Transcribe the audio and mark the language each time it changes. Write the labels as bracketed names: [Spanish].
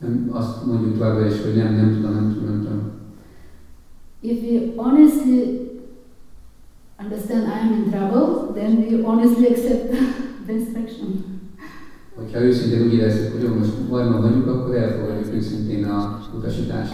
[Hungarian] Azt mondjuk tovább is, hogy nem tudom. [English] If we honestly understand I am in trouble, then we honestly accept the instruction. [Hungarian] Hogyha őszintén úgy érezzük, hogy most bajban vagyunk, akkor elfogadjuk őszintén a utasítást.